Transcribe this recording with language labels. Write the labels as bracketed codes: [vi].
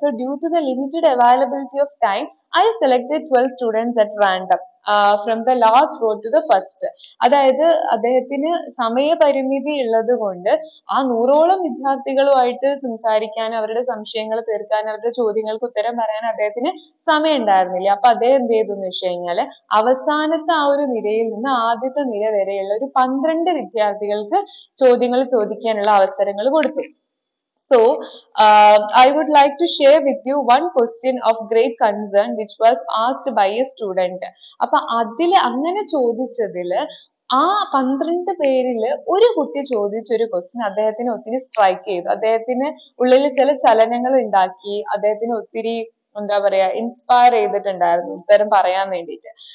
[en] so due to the limited availability of time I selected 12 students at random from the last row to the first, [ml] അതായത് അദ്ദേഹത്തിന് സമയപരിമിതി ഉള്ളത് കൊണ്ട് ആ 100-ഓളം വിദ്യാർത്ഥികളുമായിട്ട് സംസാരിക്കാൻ, അവരുടെ സംശയങ്ങൾ തീർക്കാൻ, അവരുടെ ചോദ്യങ്ങൾക്ക് ഉത്തരം പറയാൻ അദ്ദേഹത്തിന് സമയം ഉണ്ടായിരുന്നില്ല. അപ്പൊ അദ്ദേഹം എന്ത് ചെയ്തു എന്ന് വെച്ച് കഴിഞ്ഞാല് അവസാനത്തെ ആ ഒരു നിരയിൽ നിന്ന് ആദ്യത്തെ നിര വരെയുള്ള ഒരു 12 വിദ്യാർത്ഥികൾക്ക് ചോദ്യങ്ങൾ ചോദിക്കാനുള്ള അവസരങ്ങൾ കൊടുത്തു. [en] So, I would like to share with you one question of great concern which was asked by a student. [ml] അപ്പൊ അതില് അങ്ങനെ ചോദിച്ചതില് ആ 12 പേരില് ഒരു കുട്ടി ചോദിച്ചൊരു ക്വസ്റ്റ്യൻ അദ്ദേഹത്തിന് ഒത്തിരി സ്ട്രൈക്ക് ചെയ്തു, അദ്ദേഹത്തിന് ഉള്ളില് ചില ചലനങ്ങൾ ഉണ്ടാക്കി, അദ്ദേഹത്തിന് ഒത്തിരി എന്താ പറയാ ഇൻസ്പയർ ചെയ്തിട്ടുണ്ടായിരുന്നു ഉത്തരം പറയാൻ വേണ്ടിയിട്ട്.